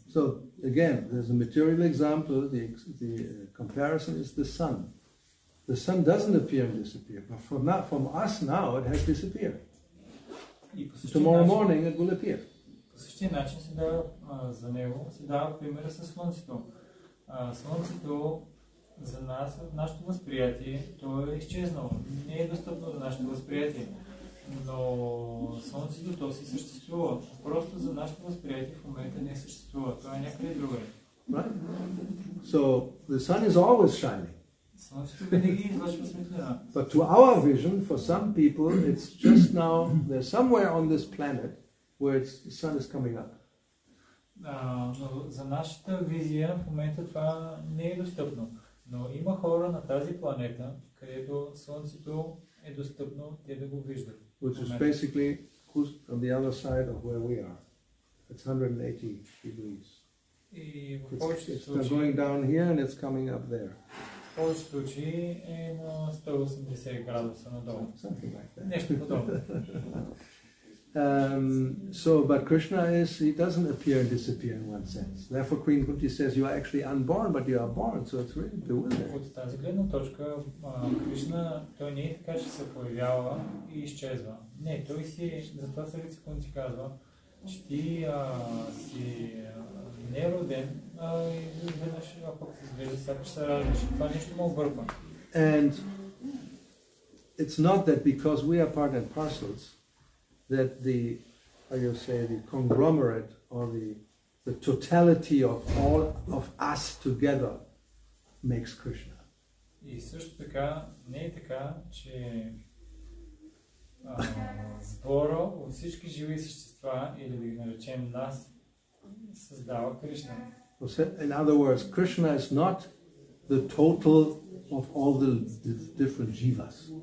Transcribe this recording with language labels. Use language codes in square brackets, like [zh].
[en] So, again, there's a material example, the comparison is the sun. The sun doesn't appear and disappear, but from us now it has disappeared. Tomorrow morning it will appear. [bg] По същия начин се дава за него, се дава примера със Слънцето. Слънцето за нас, нашето възприятие, то е изчезнало. Не е достъпно за нашето възприятие. Но Слънцето, то си съществува. Просто за нашето възприятие в момента не съществува. Това е някъде другаде. [en] Right? So, the sun is always shining. [bg] Слънцето винаги излъчва светлина. [en] But to our vision, for some people, it's just now, they're somewhere on this planet, where it's, the sun is coming up. [bg] Но за нашата визия, в момента това не е достъпно. Но има хора на тази планета, където Слънцето е достъпно, те да го виждат. [en] Which is basically on the other side of where we are. It's 180 degrees. [bg] И в повечето случаи... [en] It's going down here and it's coming up there. [bg] В повечето случаи е на 180 градуса надолу. Нещо подобно. [en] So, but Krishna is, he doesn't appear and disappear in one sense. Therefore, Queen Kunti says, you are actually unborn, but you are born, so it's really bewildering. [bg] От тази гледна точка, Кришна, той не е така, че се появява и изчезва. Не, той си, затова Сърица Кунти казва, че ти си нероден, а изведнъж, а пък се изглежда, сякаш се раждаш. Това нещо му обърква. [en] And it's not that because we are part and parcels, that the, how you say, the conglomerate or the totality of all of us together makes Krishna. [bg] И също така, не е така, че сбора от всички живи същества, или да ги наречем нас, създава Кришна. [en] In other words, Krishna is not the total of all the different jivas.